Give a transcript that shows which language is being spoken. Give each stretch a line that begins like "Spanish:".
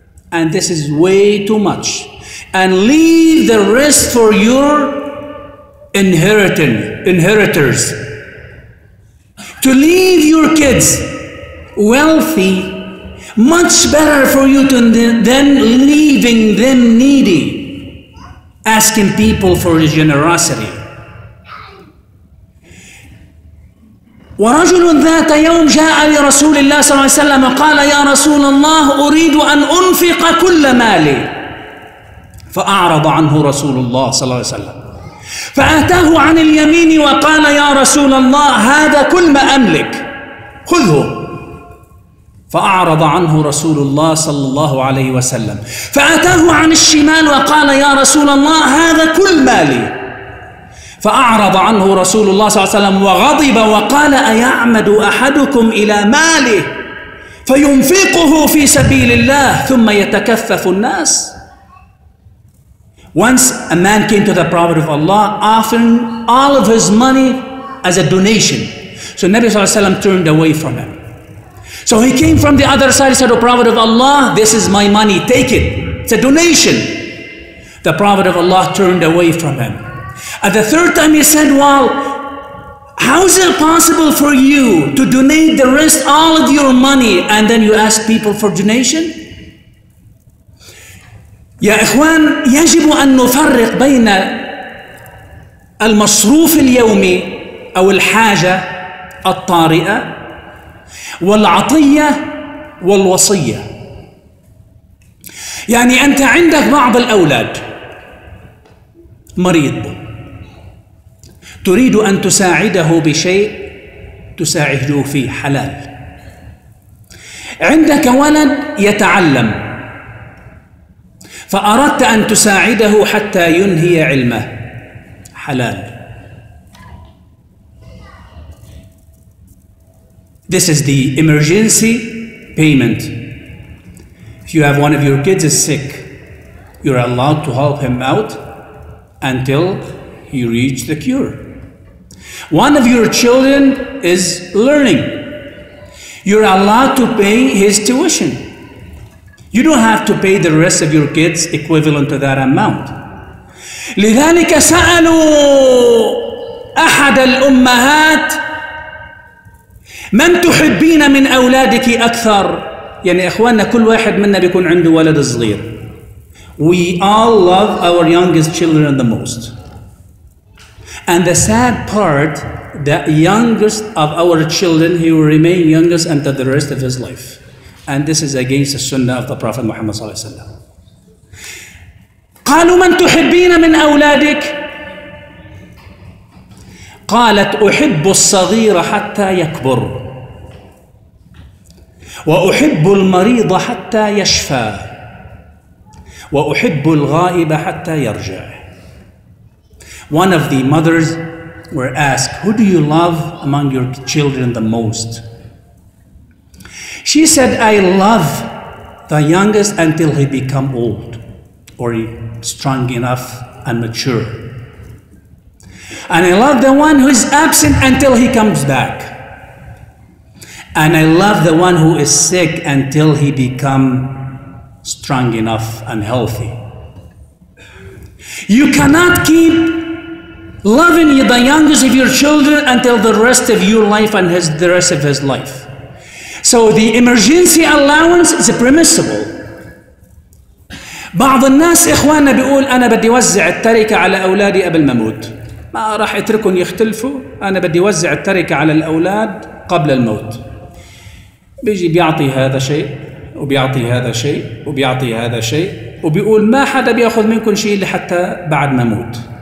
English: And this is way too much. And leave the rest for your inheritors. To leave your kids wealthy, much better for you than leaving them needy. Asking people for his generosity.
Arabic: ورجل ذات يوم جاء لرسول الله صلى الله عليه وسلم قال يا رسول الله أريد أن أنفق كل مالي. فأعرض عنه رسول الله صلى الله عليه وسلم. فأتاه عن اليمين وقال يا رسول الله هذا كل ما أملك خذه. فأعرض عنه رسول الله صلى الله عليه وسلم. فأتاه عن الشمال وقال يا رسول الله هذا كل مالي. فأعرض عنه رسول الله صلى الله عليه وسلم وغضب وقال أيعمد أحدكم إلى ماله فينفقه في سبيل الله ثم يتكفف الناس.
English: Once a man came to the Prophet of Allah offering all of his money as a donation. So Nabi صلى الله عليه وسلم turned away from him. So he came from the other side, he said, O Prophet of Allah, this is my money, take it. It's a donation. The Prophet of Allah turned away from him. At the third time he said, well, how is it possible for you to donate the rest, all of your money, and then you ask people for donation?
Arabic: يا إخوان يجب أن نفرق بين المصروف اليومي أو الحاجة الطارئة والعطية والوصية. يعني أنت عندك بعض الأولاد مريض، تريد أن تساعده بشيء تساعده فيه حلال. عندك ولد يتعلم فأردت أن تساعده حتى ينهي علمه حلال.
English: This is the emergency payment. If you have one of your kids is sick, you're allowed to help him out until he reach the cure. One of your children is learning, you're allowed to pay his tuition You don't have to pay the rest of your kids equivalent to that amount.
Arabic: لذلك سألوا أحد الأمهات من تحبين من أولادك أكثر؟ يعني إخواننا كل واحد منا بيكون عنده ولد صغير.
English: We all love our youngest children the most. And the sad part, the youngest of our children, he will remain youngest until the rest of his life. And this is against the sunnah of the Prophet Muhammad sallallahu alaihi wasallam.
Arabic: قالوا من تحبين من أولادك؟ قالت أحب الصغير حتى يكبر وأحب المريض حتى يشفى وأحب الغائب حتى يرجع.
English: One of the mothers were asked, who do you love among your children the most? She said, I love the youngest until he become old or strong enough and mature. And I love the one who is absent until he comes back. And I love the one who is sick until he become strong enough and healthy. You cannot keep loving the youngest of your children until the rest of your life and the rest of his life. So the emergency allowance is permissible.
Arabic: بعض الناس إخواننا بيقول أنا بدي وزع التركة على أولادي قبل ما أموت. ما راح أتركهم يختلفوا، أنا بدي وزع التركة على الأولاد قبل الموت. بيجي بيعطي هذا شيء وبيعطي هذا شيء وبيعطي هذا شيء وبيقول ما حدا بياخذ منكم شيء لحتى بعد ما أموت.